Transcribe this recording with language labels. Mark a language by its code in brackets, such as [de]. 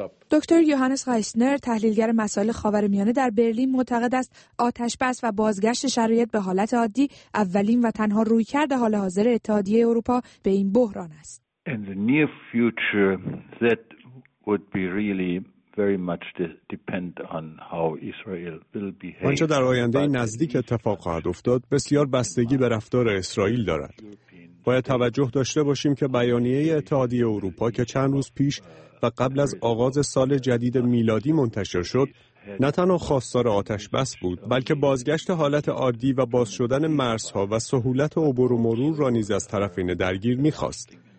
[fa] دکتر یوهانس هایسنر، تحلیلگر مسائل خاورمیانه در برلین، معتقد است آتش‌بس و بازگشت شرایط به حالت عادی اولین و تنها رویکرد حال حاضر اتحادیه اروپا به این بحران است. [en] In the near future, that would be really very much depend on how Israel will behave. [fa] آنچه در آینده نزدیک اتفاق خواهد افتاد، بسیار بستگی به رفتار اسرائیل دارد. باید توجه داشته باشیم که بیانیه اتحادیه اروپا که چند روز پیش و قبل از آغاز سال جدید میلادی منتشر شد، نه تنها خواستار آتش بس بود، بلکه بازگشت حالت عادی و باز شدن مرزها و سهولت عبور و مرور را نیز از طرفین درگیر می‌خواست.